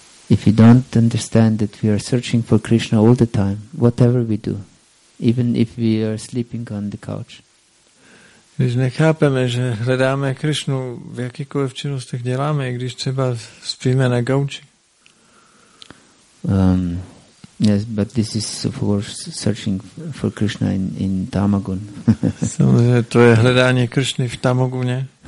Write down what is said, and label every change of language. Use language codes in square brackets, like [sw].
[en] If you don't understand that we are searching for Krishna all the time, whatever we do, even if we are sleeping on the couch. [cs] Když nechápeme, že hledáme Krishnu v jakýkoliv činnostech děláme, i když třeba spíme na gauči. [en] Yes, but this is of course searching for Krishna in Tamagun. [cs] Samozřejmě to je hledání Krishny v Tamagune.